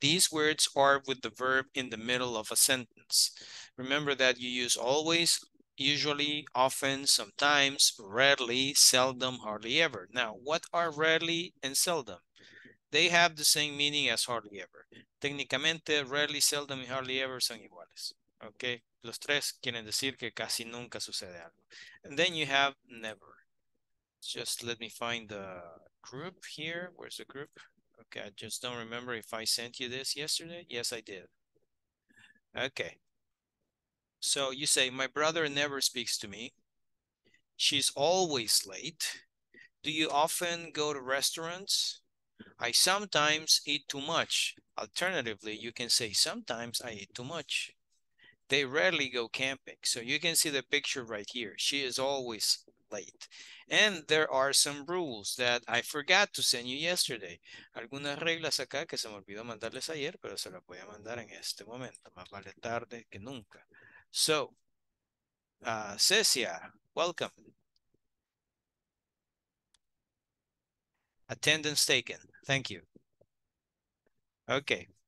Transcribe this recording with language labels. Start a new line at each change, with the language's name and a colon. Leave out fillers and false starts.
English: These words are with the verb in the middle of a sentence. Remember that you use always, usually, often, sometimes, rarely, seldom, hardly ever. Now, what are rarely and seldom? They have the same meaning as hardly ever.
Spanish: Técnicamente, rarely, seldom, y hardly ever son iguales. Okay? Los tres quieren decir que casi nunca sucede algo.
English: And then you have never. Just let me find the group here. Where's the group? Okay, I just don't remember if I sent you this yesterday. Yes, I did. Okay. So you say, my brother never speaks to me. She's always late. Do you often go to restaurants? I sometimes eat too much. Alternatively, you can say, sometimes I eat too much. They rarely go camping. So you can see the picture right here. She is always late. And there are some rules that I forgot to send you yesterday.
Spanish: Algunas reglas acá que se me olvidó mandarles ayer, pero se las voy a mandar en este momento. Más vale tarde que nunca.
English: So, Cecia, welcome. Attendance taken. Thank you. Okay.